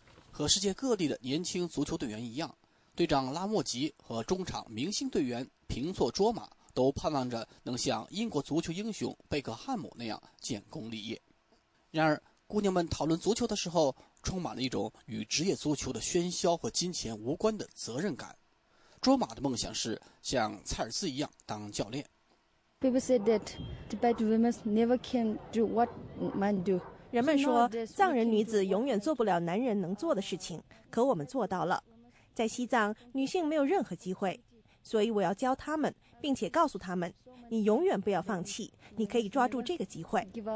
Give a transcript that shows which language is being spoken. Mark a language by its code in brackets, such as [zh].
[zh] 和世界各地的年轻足球队员一样，队长拉莫吉和中场明星队员平措卓玛都盼望着能像英国足球英雄贝克汉姆那样建功立业。然而，姑娘们讨论足球的时候，充满了一种与职业足球的喧嚣和金钱无关的责任感。卓玛的梦想是像蔡尔兹一样当教练。 [en] People said that Tibet women never can do what men do. [zh] 人们说，藏人女子永远做不了男人能做的事情，可我们做到了。在西藏，女性没有任何机会，所以我要教她们，并且告诉她们，你永远不要放弃，你可以抓住这个机会。